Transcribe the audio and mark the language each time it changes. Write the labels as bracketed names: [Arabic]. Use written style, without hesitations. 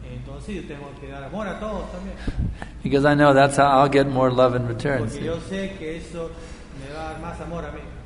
[Spanish] Entonces, yo tengo que dar amor a todos también. [English] Because I know that's how I'll get more love in return. [Spanish] Porque yo sé que eso me va a dar más amor a mí.